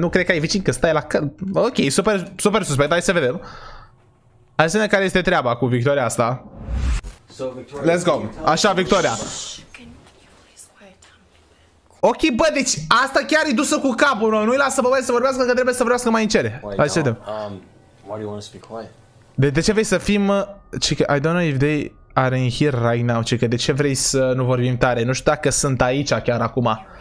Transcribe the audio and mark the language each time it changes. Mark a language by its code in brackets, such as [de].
[ro] Nu cred că ai vecin, că stai la ok, super, super suspect, hai să vedem. Hai să vedem care este treaba cu Victoria asta. [en] Let's go, [ro] așa, Victoria. Ok, bă, deci asta chiar e dusă cu capul, bro. Nu-i lasă pe băieți să vorbească, că trebuie să vorbească mai încere. Hai să vedem. [en] Why do you want to be quiet? [ro] De ce vrei să fim... [en] Chica, I don't know if they are in here right now, chica. [ro] De ce vrei să nu vorbim tare? Nu știu dacă sunt aici chiar acum.